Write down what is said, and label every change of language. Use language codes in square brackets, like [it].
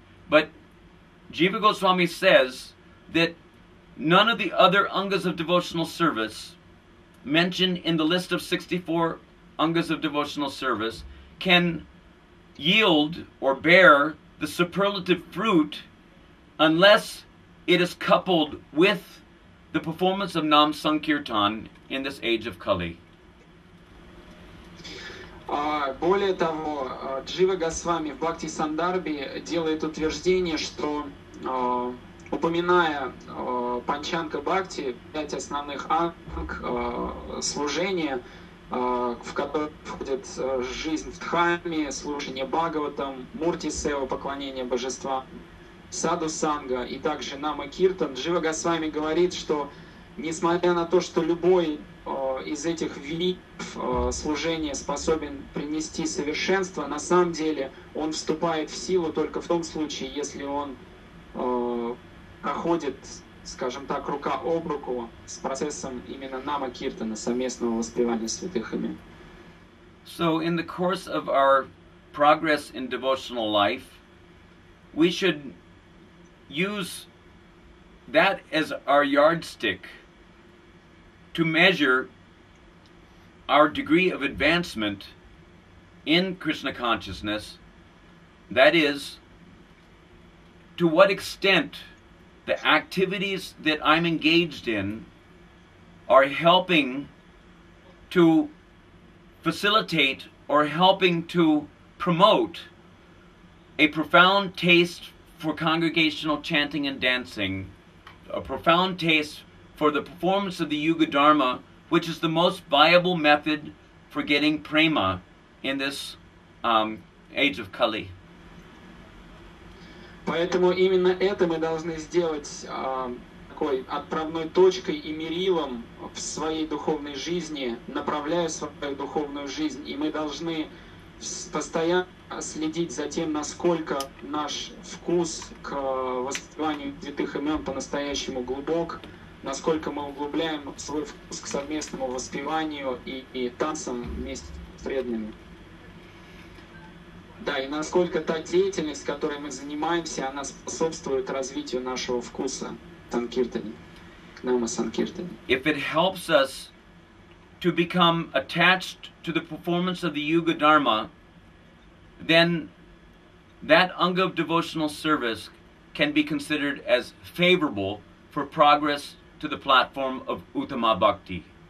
[en] But Jiva Goswami says that none of the other Angas of devotional service mentioned in the list of 64 Angas of devotional service can yield or bear the superlative fruit unless it is coupled with the performance of Nam Sankirtan in this age of Kali. [ru] Более того, Джива Госвами в Бхакти Сандарби делает утверждение, что, упоминая Панчанга Бхакти, пять основных анг служения, в которых входит жизнь в Дхаме, служение Бхагаватам, Мурти Сева, поклонение божества, Саду Санга и также Нама Киртан, Джива Госвами говорит, что несмотря на то, что любой из этих видов служения способен принести совершенство, на самом деле он вступает в силу только в том случае, если он проходит, скажем так, рука об руку с процессом именно Нама Киртана, совместного воспевания святых имен. [en] So in the course of our progress in devotional life, we should use that as our yardstick to measure our degree of advancement in Krishna consciousness, that is, to what extent the activities that I'm engaged in are helping to facilitate or helping to promote a profound taste for congregational chanting and dancing, a profound taste for the performance of the Yuga Dharma, which is the most viable method for getting prema in this age of Kali. [ru] Поэтому именно это мы должны сделать такой отправной точкой и мерилом в своей духовной жизни, направляя свою духовную жизнь, и мы должны постоянно следить за тем, насколько наш вкус к воспеванию святых имен по-настоящему глубок, насколько мы углубляем свой вкус к совместному воспеванию и танцам вместе с преданными. Да, и насколько та деятельность, которой мы занимаемся, она способствует развитию нашего вкуса санкиртане, к нама санкиртане. [en] If it helps us to become attached to the performance of the Yuga Dharma, then that Anga of devotional service can be considered as favorable for progress to the platform of Uttama Bhakti.